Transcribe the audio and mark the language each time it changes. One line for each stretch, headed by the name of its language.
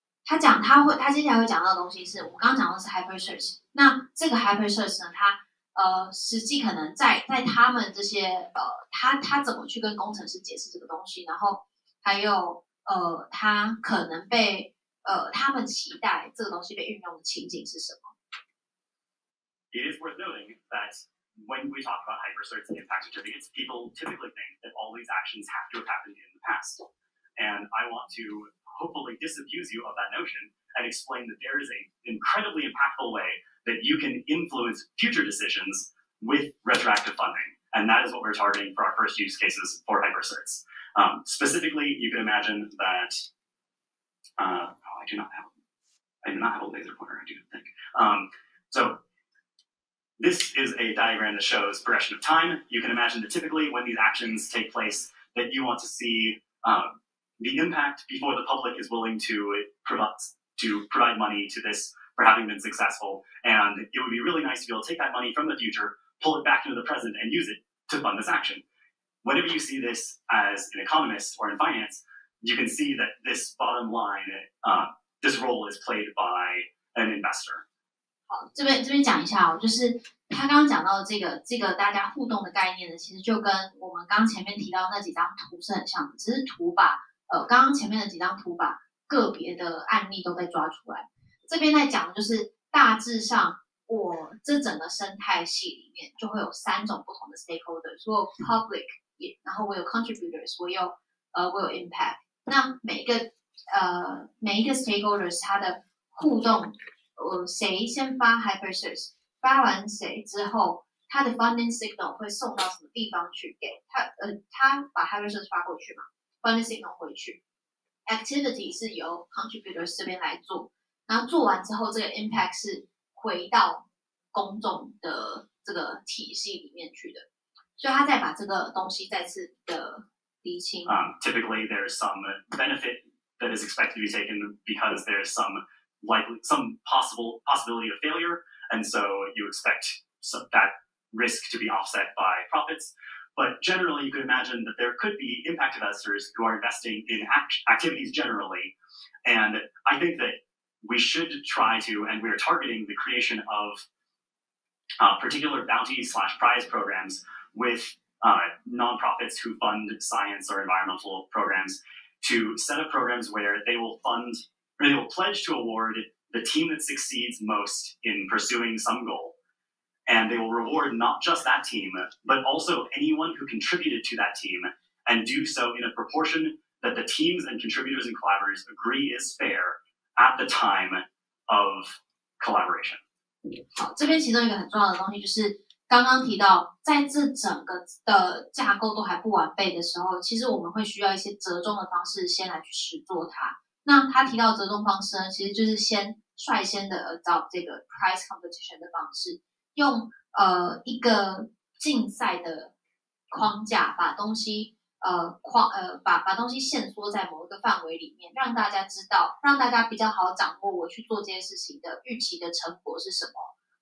Chinese: 他讲他接下来会讲到的东西是我刚刚讲的是 Hypershirt， 那这个 Hypershirt 呢，他实际可能在他们这些他怎么去跟工程师解释这个东西，然后还有他可能被他们期待这个东西被运用的情景是什么。
English: It is worth noting that when we talk about hypercert and impact attributes, people typically think that all these actions have to have happened in the past. And I want to hopefully disabuse you of that notion and explain that there is an incredibly impactful way that you can influence future decisions with retroactive funding. And that is what we're targeting for our first use cases for hyperserts. Specifically, you can imagine that, I do not have a laser pointer, I do not think. This is a diagram that shows progression of time. You can imagine that typically when these actions take place, that you want to see the impact before the public is willing to provide money to this for having been successful. And it would be really nice to be able to take that money from the future, pull it back into the present, and use it to fund this action. Whenever you see this as an economist or in finance, you can see that this bottom line, this role is played by an investor.
Chinese: 好，这边讲一下哦，就是他刚刚讲到的这个大家互动的概念呢，其实就跟我们刚前面提到那几张图是很像的，只是图把刚刚前面的几张图把个别的案例都被抓出来。这边在讲的就是大致上我这整个生态系里面就会有三种不同的 stakeholders， 我有 public， 然后我有 contributors， 我有 impact。那每一个 stakeholders 它的互动。谁先发 hypershares， 发完谁之后，他的 funding signal 会送到什么地方去给他？他把 hypershares 发过去嘛 ，funding signal 回去 ，activity 是由 contributors 这边来做，然后做完之后，这个 impact 是回到公众的这个体系里面去的，所以他再把这个东西再次的厘清。
English: Typically, there's some benefit that is expected to be taken because there's some possibility of failure, and so you expect that risk to be offset by profits. But generally, you could imagine that there could be impact investors who are investing in activities generally. And I think that we should try to, and we are targeting the creation of particular bounty/prize programs with nonprofits who fund science or environmental programs to set up programs where they will fundThey will pledge to award the team that succeeds most in pursuing some goal. And they will reward not just that team, but also anyone who contributed to that team, and do so in a proportion that the teams and contributors and collaborators agree is fair at the time of collaboration.
Chinese: 好，这边其中一个很重要的东西就是刚刚提到，在这整个的架构都还不完备的时候，其实我们会需要一些折中的方式先来去实做它。那他提到折中方式呢，其实就是先率先的 adopt 这个 prize competition 的方式，用一个竞赛的框架把东西把东西限缩在某一个范围里面，让大家知道，让大家比较好掌握我去做这件事情的预期的成果是什么。